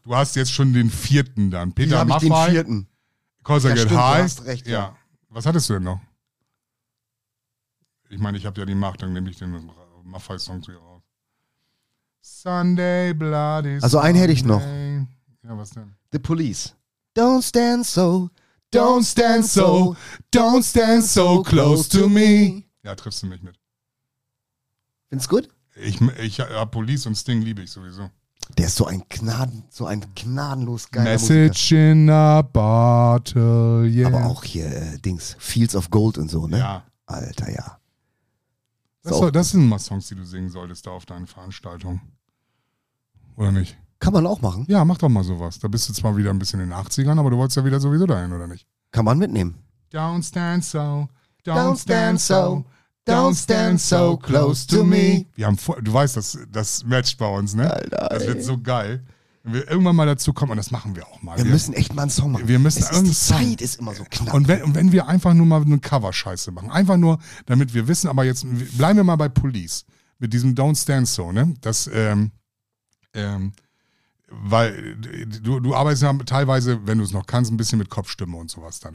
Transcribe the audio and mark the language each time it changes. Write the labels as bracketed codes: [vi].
[de] Du hast jetzt schon den vierten dann. Peter Maffay. Hier habe ich den vierten. [en] Cause I Get High. [de] Du hast recht. Ja. Was hattest du denn noch? Ich meine, ich habe ja die Macht, dann nehme ich den Maffay-Song zu ihr raus. [en] Sunday, bloody [de] also einen hätte ich noch. Ja, was denn? [en] The Police. Don't stand so, don't stand so, don't stand so close to me. [de] Ja, triffst du mich mit. Find's gut? Ich ja, Police und Sting liebe ich sowieso. Der ist so ein gnadenlos geiler [en] Message [de] Musiker. [en] In a bottle, yeah. [de] Aber auch hier Dings, Fields of Gold und so, ne? Ja. Alter, ja. Das sind mal Songs, die du singen solltest da auf deinen Veranstaltungen. Oder nicht? Kann man auch machen. Ja, mach doch mal sowas. Da bist du zwar wieder ein bisschen in den 80ern, aber du wolltest ja wieder sowieso dahin, oder nicht? Kann man mitnehmen. [en] Don't stand so, don't stand so, don't stand so close to me. [de] Wir haben du weißt, das matcht bei uns, ne? Alter, das wird so geil. Wenn wir irgendwann mal dazu kommen, und das machen wir auch mal. Wir müssen echt mal einen Song machen. Wir müssen die Zeit ist immer so knapp. Und wenn wir einfach nur mal eine Cover-Scheiße machen. Einfach nur, damit wir wissen, aber jetzt bleiben wir mal bei Police. Mit diesem Don't Stand So, ne? Das, weil du arbeitest ja teilweise, wenn du es noch kannst, ein bisschen mit Kopfstimme und sowas dann.